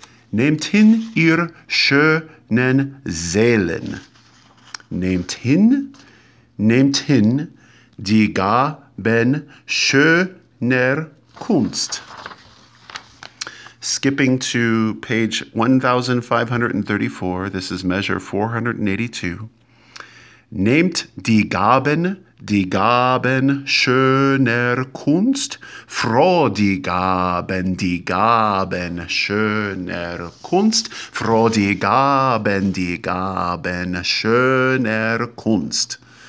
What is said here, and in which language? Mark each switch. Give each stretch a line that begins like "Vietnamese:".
German: Nehmt hin ihr schönen Seelen. Nehmt hin die Gaben schöner Kunst.
English: Skipping to page 1534, this is measure 482.
German: Nehmt die Gaben schöner Kunst, froh die Gaben schöner Kunst, froh die Gaben schöner Kunst.